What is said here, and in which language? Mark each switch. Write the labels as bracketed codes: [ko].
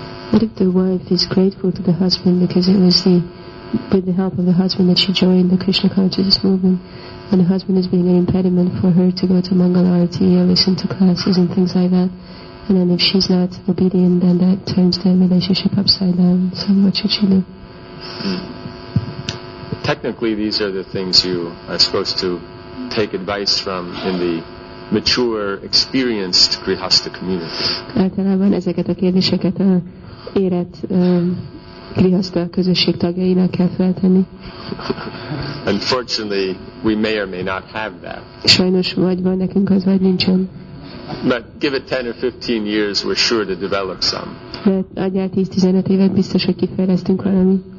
[en] What if the wife is grateful to the husband because it was with the help of the husband that she joined the Krishna consciousness movement, and the husband is being an impediment for her to go to Mangala Arati or listen to classes and things like that, and then if she's not obedient, then that turns their relationship upside down. So what should she do? Technically, these are the things you are supposed to take advice from in the mature, experienced grihastha community. [hu] Általában ezeket a kérdéseket a érett grihasztal közösség tagjainak kell feltenni. [en] Unfortunately, we may or may not have that. [hu] Sajnos vagy van nekünk az, vagy nincsen. [en] But give it 10 or 15 years, we're sure to develop some. [hu] De adjál 10-15 évet, biztos, hogy kifejlesztünk valami.